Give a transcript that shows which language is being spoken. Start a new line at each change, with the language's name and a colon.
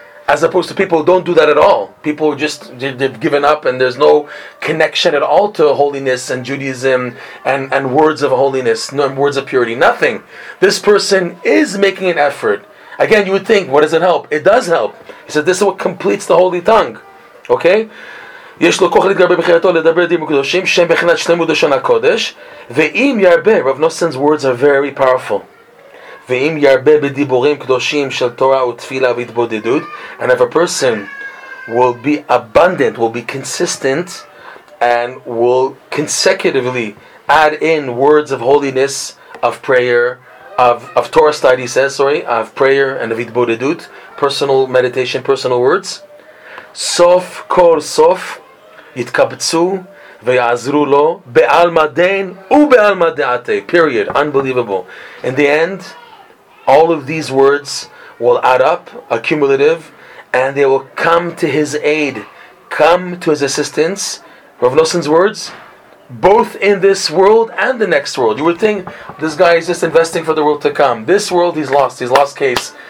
English: As opposed to people who don't do that at all. People who just, they've given up and there's no connection at all to holiness and Judaism and words of holiness, no words of purity, nothing. This person is making an effort. Again, you would think, what does it help? It does help. He said, this is what completes the holy tongue. Okay?
Hebrew: יש לו כוח להתגרבר בחירתו לדבר דברים קדושים שם בחינת שלמות לשון הקודש ואם ירבה,
English: Rav Nosson's words are very powerful,
Hebrew: ואם ירבה בדיבורים קדושים של תורה ותפילה והתבודדות,
English: and if a person will be abundant, will be consistent and will consecutively add in words of holiness, of prayer, of Torah study, says, sorry, of prayer and of התבודדות, personal meditation, personal words,
Hebrew: סוף כל סוף יתקבצו ויעזרו לו בעלמא דין ובעלמא דעתי,
English: period, unbelievable. In the end, all of these words will add up, accumulative, and they will come to his aid, come to his assistance. Rav Nosson's words, both in this world and the next world. You would think, this guy is just investing for the world to come. This world, he's lost case.